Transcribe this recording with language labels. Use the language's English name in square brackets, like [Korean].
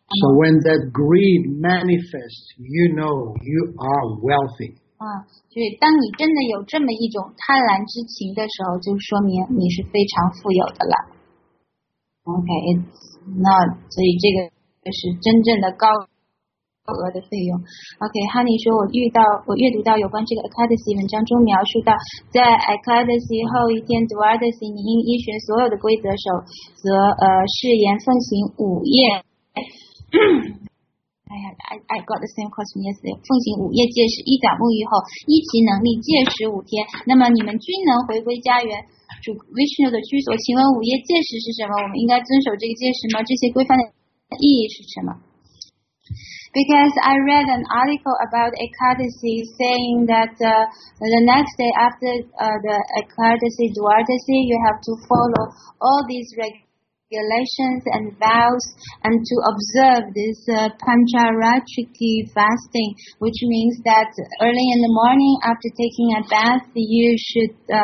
[English] So when that greed manifests, you know you are wealthy. [Chinese] 所以当你真的有这么一种贪婪之情的时候，就说明你是非常富有的了。 [English] Okay, it's not, [Chinese] 所以这个就是真正的高额的费用。 OK, Honey 说我阅读到有关这个 Ekadasi 文章中描述到，在 Ekadasi 后一天 Dwadasi, 你应依循所有的规则守则誓言奉行午夜。 [English] I got the same question yesterday. [Chinese] 奉行午夜戒食，一早沐浴后，依其能力戒食五天，那么你们均能回归家园，主 Vishnu 的居所。请问午夜戒食是什么？我们应该遵守这个戒食吗？这些规范的意义是什么？ [English] Because I read an article about Ekadasi saying that the next day after the Ekadasi Dwadasi, you have to follow all these regulations and vows and to observe this Pancharatriki fasting, which means that early in the morning after taking a bath, you should